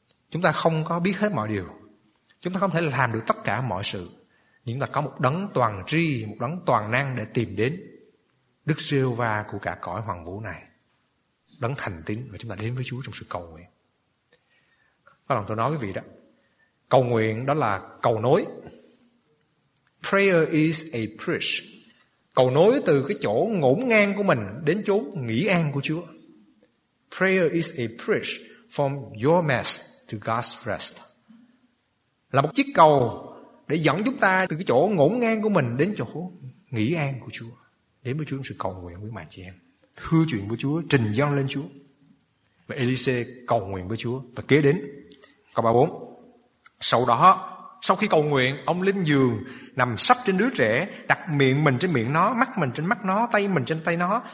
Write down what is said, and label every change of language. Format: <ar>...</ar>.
<vi>Chúng ta không có biết hết mọi điều, chúng ta không thể làm được tất cả mọi sự, nhưng ta có một đấng toàn tri, một đấng toàn năng để tìm đến Đức Giê-hô-va của cả cõi hoàng vũ này, đấng thành tín, mà chúng ta đến với Chúa trong sự cầu nguyện. Có lòng tôi nói quý vị đó, cầu nguyện đó là cầu nối.</vi> <en>Prayer is a bridge.</en> <vi>Cầu nối từ cái chỗ ngổn ngang của mình đến chỗ nghỉ an của Chúa.</vi> <en>Prayer is a bridge from your mess to God's rest.</en> <vi>Là một chiếc cầu để dẫn chúng ta từ cái chỗ ngổn ngang của mình đến chỗ nghỉ an của Chúa. Đến với Chúa trong sự cầu nguyện với mẹ chị em. Thưa chuyện với Chúa, trình dâng lên Chúa. Và Elise cầu nguyện với Chúa. Và kế đến, câu 34. Sau đó, sau khi cầu nguyện, ông lên giường, nằm sắp trên đứa trẻ, đặt miệng mình trên miệng nó, mắt mình trên mắt nó, tay mình trên tay nó.</vi>